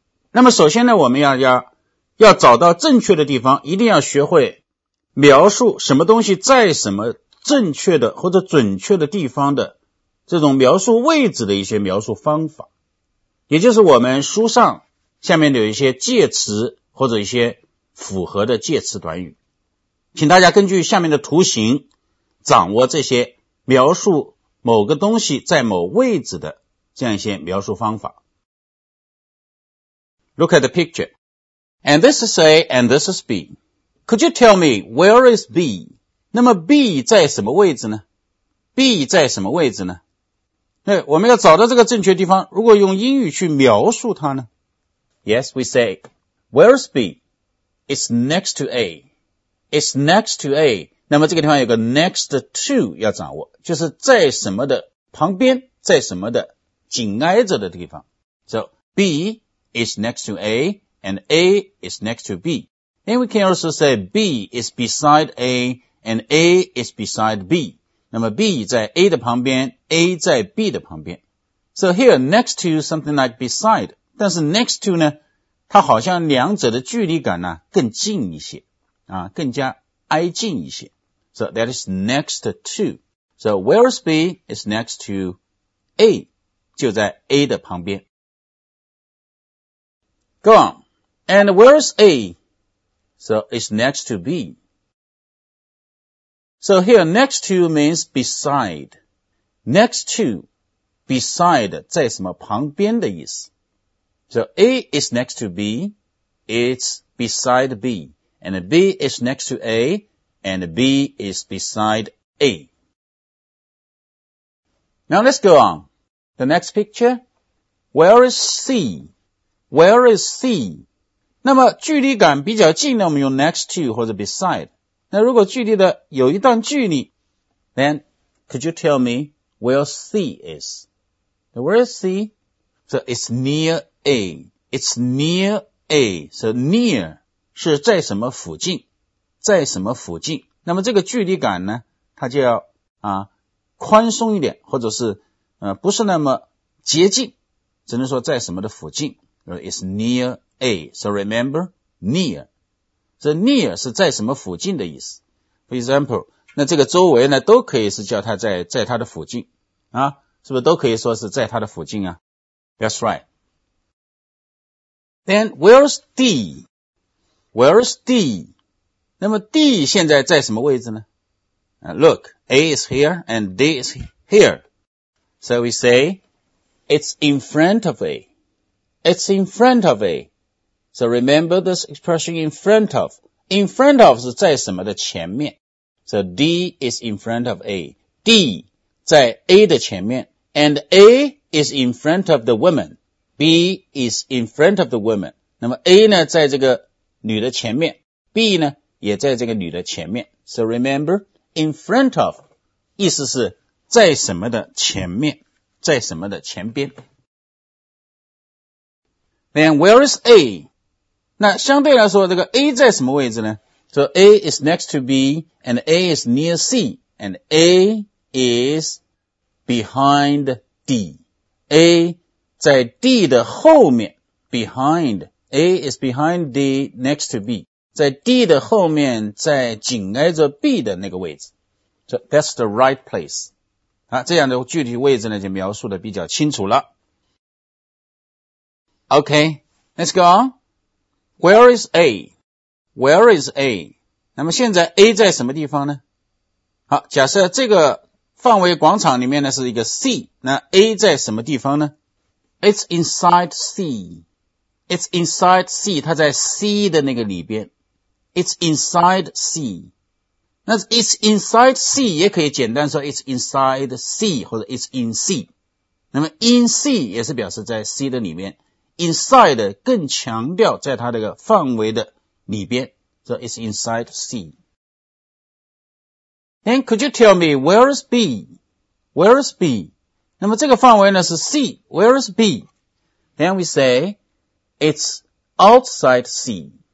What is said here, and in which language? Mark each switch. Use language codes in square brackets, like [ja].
[zh] 那么首先呢我们要找到正确的地方，一定要学会描述什么东西在什么正确的或者准确的地方的这种描述位置的一些描述方法，也就是我们书上下面有一些介词或者一些符合的介词短语，请大家根据下面的图形掌握这些描述某个东西在某位置的这样一些描述方法。 [en] Look at the picture. And this is A, and this is B. Could you tell me where is B? [zh] 那么 B 在什么位置呢？B 在什么位置呢？那我们要找到这个正确地方，如果用英语去描述它呢？ [en] Yes, we say, where is B? It's next to A. It's next to A. [zh] 那么这个地方有个 next to 要掌握，就是在什么的旁边，在什么的紧挨着的地方。 [en] So, B is next to A. And A is next to B. And we can also say B is beside A, and A is beside B. [zh] 那么 B 在 A 的旁边， A 在 B 的旁边。 [en] So here, next to something like beside. [zh] 但是 next to 呢，它好像两者的距离感呢更近一些，啊，更加挨近一些。 [en] So that is next to. So where is B? It's next to A. [zh] 就在 A 的旁边。 [en] Go on. And where is A? So it's next to B. So here, next to means beside. Next to, beside, [zh] 在什么旁边的意思。 [en] So A is next to B, it's beside B. And B is next to A, and B is beside A. Now let's go on. The next picture. Where is C? Where is C? [zh] 那么距离感比较近呢，我们用 next to 或者 beside。那如果距离的有一段距离 [en] ，then could you tell me where C is? Where is C? So it's near A. It's near A. [zh] So near 是在什么附近，在什么附近？那么这个距离感呢，它就要啊宽松一点，或者是不是那么接近，只能说在什么的附近。 [en] It's near A. So remember, near. [zh] So near 是在什么附近的意思。 [en] For example, [zh] 那这个周围呢都可以是叫它在它的附近。啊是不是都可以说是在它的附近啊 ? [en] That's right. Then, where's D? Where's D? [zh] 那么 D 现在在什么位置呢 [en] ?Look, A is here and D is here. So we say, it's in front of A. It's in front of A. So remember this expression in front of. [zh] In front of 是在什么的前面。 [en] So D is in front of A. [zh] D 在 A 的前面。 [en] And A is in front of the woman. B is in front of the woman. [zh] 那么 A 呢在这个女的前面。B 呢也在这个女的前面。 [en] So remember, [zh] in front of 意思是在什么的前面。在什么的前边。 [en] Then where is A? [zh] 那相对来说这个 A 在什么位置呢 [en] So A is next to B and A is near C and A is behind D. [zh] A 在 D 的后面 [en] behind A is behind D next to B [zh] 在 D 的后面在紧挨着 B 的那个位置 [en] So that's the right place. [zh] 啊，这样的具体位置呢就描述的比较清楚了。 [en] Okay, let's go on. Where is A? Where is A? [zh] 那么现在 A 在什么地方呢？好，假设这个范围广场里面呢是一个 C, 那 A 在什么地方呢？ [en] It's inside C. It's inside C, [zh] 它在 C 的那个里边。 [en] It's inside C. 那 It's inside C [zh] 也可以简单说 [en] It's inside C, [zh] 或者 [en] It's in C. [zh] 那么 in C 也是表示在 C 的里面。Inside 更强调在它这个范围的里边， [en] So it's inside C. Then could you tell me, where is B? Where is B? [zh] 那么这个范围呢是 C. [en] Where is B? Then we say, it's outside C.